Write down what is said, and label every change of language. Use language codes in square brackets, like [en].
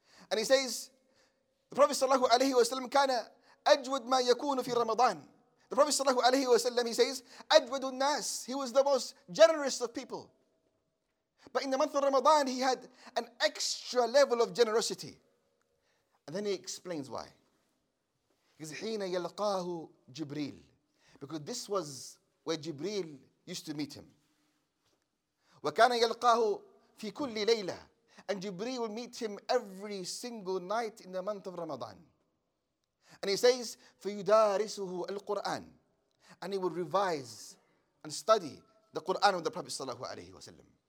[en] And he says, the Prophet sallallahu alayhi wa sallam [ar] kana ajwad ma yakunu fi Ramadan. [en] The Prophet sallallahu alayhi wa sallam, he says, [ar] ajwadun nas. [en] He was the most generous of people. But in the month of Ramadan, he had an extra level of generosity. And then he explains why. Because [ar] حين يلقاه جبريل. [en] Because this was where Jibreel used to meet him. [ar] وَكَانَ يَلْقَاهُ فِي كُلِّ لَيْلَةٍ. [en] And Jibreel will meet him every single night in the month of Ramadan. And he says, [ar] فَيُدَارِسُهُ الْقُرْآنِ. [en] And he will revise and study the Qur'an of the Prophet sallallahu alayhi wa sallam.